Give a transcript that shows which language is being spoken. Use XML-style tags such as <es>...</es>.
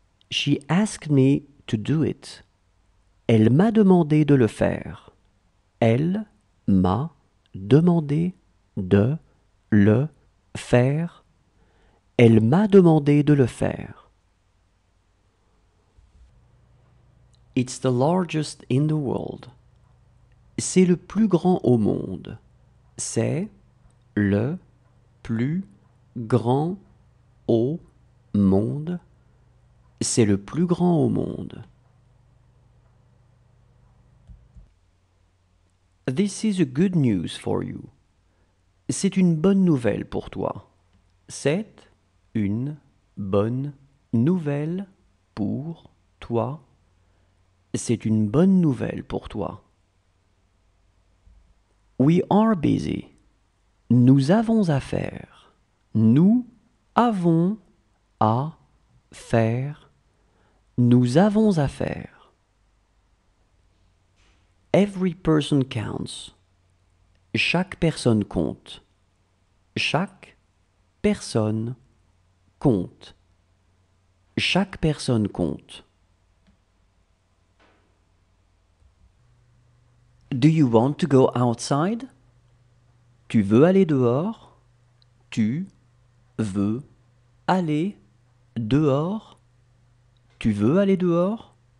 <en>She asked me to do it.</en> <fr>Elle m'a demandé de le faire. Elle m'a demandé de le faire. Elle m'a demandé de le faire.</fr> <en>It's the largest in the world.</en> <fr>C'est le plus grand au monde. C'est le plus grand au monde. C'est le plus grand au monde.</fr> <en>This is a good news for you.</en> <fr>C'est une bonne nouvelle pour toi. C'est une bonne nouvelle pour toi. C'est une bonne nouvelle pour toi.</fr> <en>We are busy.</en> <fr>Nous avons à faire. Nous avons à faire. Nous avons à faire.</fr> <en>Every person counts.</en> <fr>Chaque personne compte. Chaque personne compte. Chaque personne compte.</fr> <en>Do you want to go outside?</en> <fr>Tu veux aller dehors? Tu veux aller dehors? Tu veux aller dehors?</fr>